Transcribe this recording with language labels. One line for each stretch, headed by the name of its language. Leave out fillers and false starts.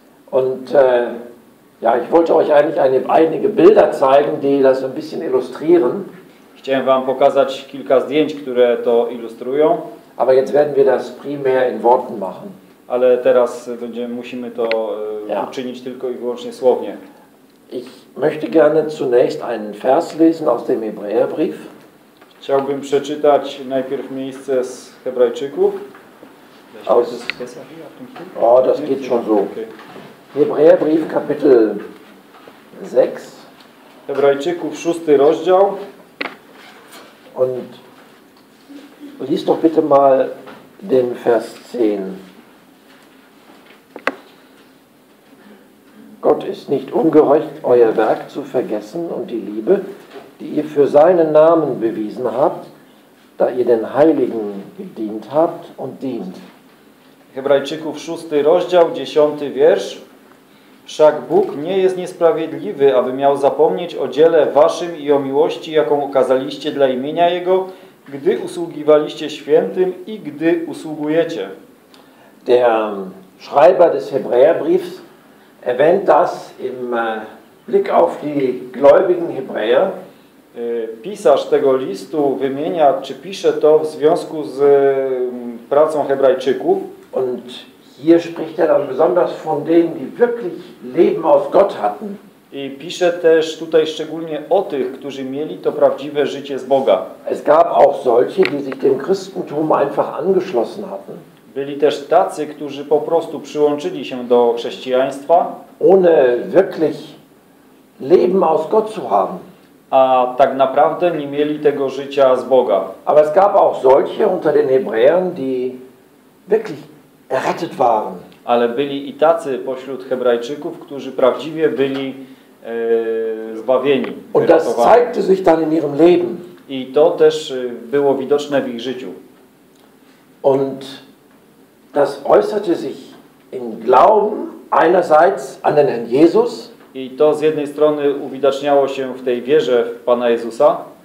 German: Und ja, ich wollte euch eigentlich einige Bilder zeigen, die das ein bisschen illustrieren.
Polish: Chciałem Wam pokazać kilka zdjęć, które to ilustrują.
German: Aber jetzt werden wir das primär in Worten machen.
Polish: Ale teraz musimy to uczynić tylko i wyłącznie słownie.
German: Ich möchte gerne zunächst einen Vers lesen aus dem Hebräerbrief.
Polish: Chciałbym przeczytać najpierw miejsce z Hebrajczyków.
German: Das geht schon so. Okay. Hebräerbrief, Kapitel 6.
Polish: Hebrajczyków, 6 rozdział.
German: Und lies doch bitte mal den Vers 10. Gott ist nicht ungehorcht, euer Werk zu vergessen und die Liebe, die ihr für seinen Namen bewiesen habt, da ihr den Heiligen gedient habt und dient.
Polish: Hebrajczyków 6 rozdział, 10 wiersz. Wszak Bóg nie jest niesprawiedliwy, aby miał zapomnieć o dziele waszym i o miłości, jaką okazaliście dla imienia Jego, gdy usługiwaliście świętym i gdy usługujecie.
German: Der Schreiber des Hebräerbriefs erwähnt das im Blick auf die gläubigen Hebräer.
Polish: Pisarz tego listu wymienia, czy pisze to w związku z pracą Hebrajczyków.
German: Und hier spricht dann besonders von denen, die wirklich Leben aus Gott hatten.
Polish: I pisze też tutaj szczególnie o tych, którzy mieli to prawdziwe życie z Boga.
German: Es gab auch solche, die sich dem Christentum einfach angeschlossen hatten.
Polish: Byli też tacy, którzy po prostu przyłączyli się do chrześcijaństwa.
German: Ohne wirklich Leben aus Gott zu haben.
Polish: A tak naprawdę nie mieli tego życia z Boga.
German: Aber es gab auch solche unter den Hebräern, die wirklich errettet waren.
Polish: Ale byli i tacy pośród Hebrajczyków, którzy prawdziwie byli zbawieni.
German: Und das zeigte sich dann in ihrem Leben.
Polish: I to też było widoczne w ich życiu.
German: Und das äußerte sich im Glauben einerseits an den Herrn Jesus.
Polish: I to z jednej strony uwidaczniało się w tej wierze w Pana Jezusa,